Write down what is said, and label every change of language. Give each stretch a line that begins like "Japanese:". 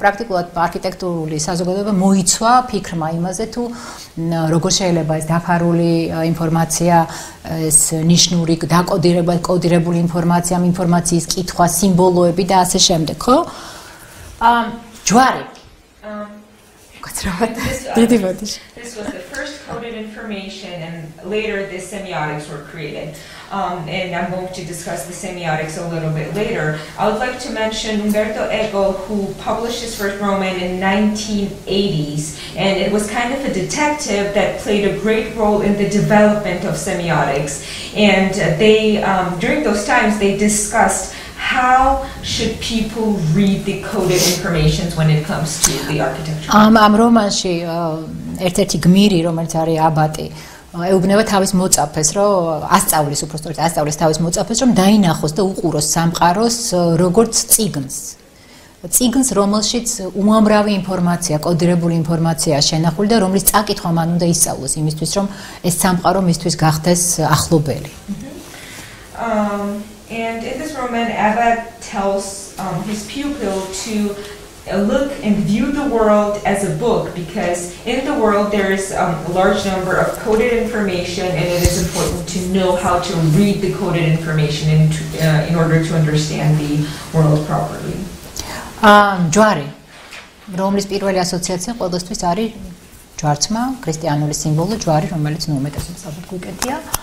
Georgian: პრაქტიკულად არქიტექტურული საზოგადოება მოიცვა ფიქრმა იმაზე, თუ როგორ შეიძლება ეს დაფარული ინფორმაცია, ეს ნიშნური დაკოდირება, კოდირებული ინფორმაცია, ინფორმაციის კითხვა, სიმბოლოები და ასე შემდეგ, ხო? ჯვარი.
English: This was the first coded information, and later the semiotics were created. And I'm going to discuss the semiotics a little bit later. I would like to mention Umberto Eco, who published his first Roman in 1980s, and it was kind of a detective that played a great role in the development of semiotics. And they, during those times, they discussed how should people read the coded information when it comes to the architecture? I'm Roman.
Georgian: She, ერთ-ერთი გმირი, რომელიც არის აბატი, ეუბნება თავის მოწაფეს, რომ ასწავლის, უბრალოდ ასწავლის თავის მოწაფეს, რომ დაინახოს და უყუროს სამყაროს როგორც წიგნს. წიგნს, რომელშიც უამრავი ინფორმაცია, კოდირებული ინფორმაცია შენახული და რომლის წაკითხვა მან უნდა ისწავლოს იმისთვის, რომ ეს სამყარო მისთვის გახდეს ახლობელი.
English: And in this Roman, Abba tells his pupil to look and view the world as a book, because in the world there is a large number of coded information, and it is important to know how to read the coded information in order to understand the world properly.
Georgian: ჯვარი, რომლის პირველი ასოციაცია ყოველთვის არის ჯვარცმა, ქრისტიანული სიმბოლო, ჯვარი, რომელიც ნუმეტესაც საბუთ გუკეთია.